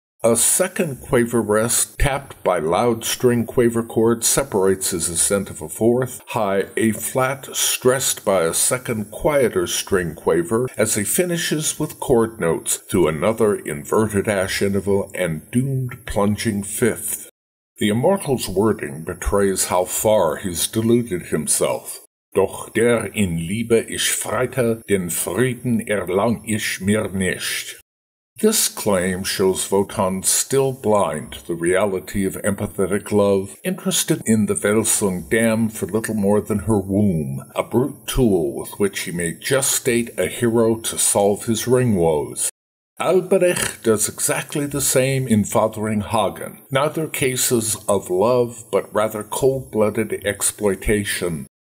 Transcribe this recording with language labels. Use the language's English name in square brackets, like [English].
[English] A second quaver rest, tapped by loud string quaver chords, separates his ascent of a fourth, high A-flat, stressed by a second quieter string quaver, as he finishes with chord notes through another inverted ash interval and doomed plunging fifth. The immortal's wording betrays how far he's deluded himself. [German] Doch der in Liebe ich freite, den Frieden erlang ich mir nicht. [English] This claim shows Votan still blind to the reality of empathetic love, interested in the Velsung dam for little more than her womb, a brute tool with which he may gestate a hero to solve his ring woes. Alberich does exactly the same in fathering Hagen, neither cases of love but rather cold-blooded exploitation.